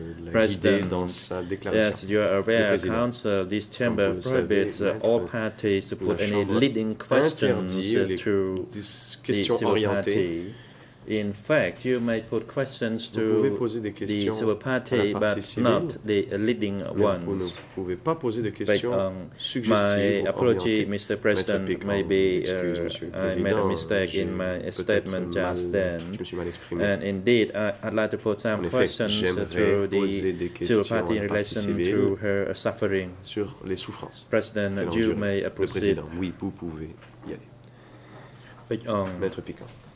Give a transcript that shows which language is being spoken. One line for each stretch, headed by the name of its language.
English: President, as you are aware, Council, this chamber prohibits all parties to put any leading questions to the civil party. In fact, you may put questions to the civil party, but not the leading ones.
French: Vous ne pouvez pas poser de questions suggestives.
English: My apology, Mr. President. Maybe I made a mistake in my statement just then. And indeed, I'd like to put some questions to the civil party in relation to her suffering.
French: Sur les souffrances.
English: President, you may proceed.
French: Le président, oui, vous pouvez y aller. Maître Piquant.